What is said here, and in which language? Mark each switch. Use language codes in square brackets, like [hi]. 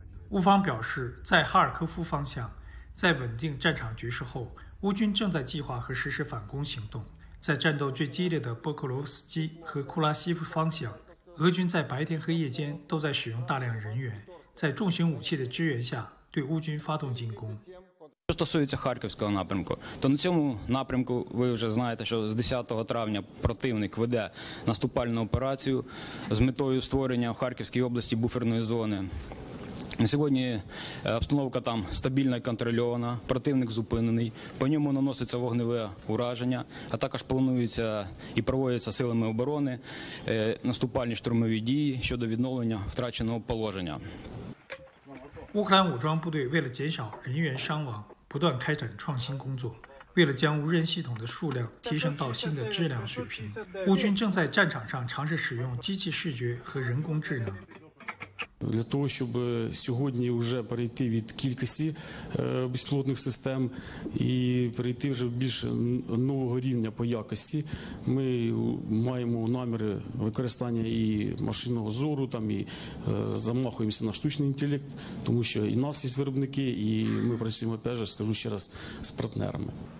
[zh] 乌方表示，在哈尔科夫方向，在稳定战场局势后，乌军正在计划和实施反攻行动。在战斗最激烈的波克罗夫斯基和库拉西夫方向，俄军在白天和夜间都在使用大量人员，在重型武器的支援下对乌军发动进攻。 [uk] що стосується харківського напрямку, то на цьому напрямку ви вже знаєте, що з 10 травня противник веде наступальну операцію з метою створення в Харківській області буферної зони. На сьогодні обстановка там стабільна і контрольована, противник зупинений, по ньому наноситься вогневе ураження, а також планується і проводяться силами оборони наступальні штурмові дії щодо відновлення втраченого положення. Українські військово-повітряні сили, для зменшення людських страждань, постійно розвивають інноваційну роботу. [zh] 为了将无人系统的数量提升到新的质量水平，乌军正在战场上尝试使用机器视觉和人工智能。 [uk] Для того, щоб сьогодні вже перейти від кількості безпілотних систем і перейти вже більше нового рівня по якості, ми маємо наміри використання і машинного зору, там, і замахуємося на штучний інтелект, тому що і нас є виробники, і ми працюємо теж, скажу ще раз, з партнерами.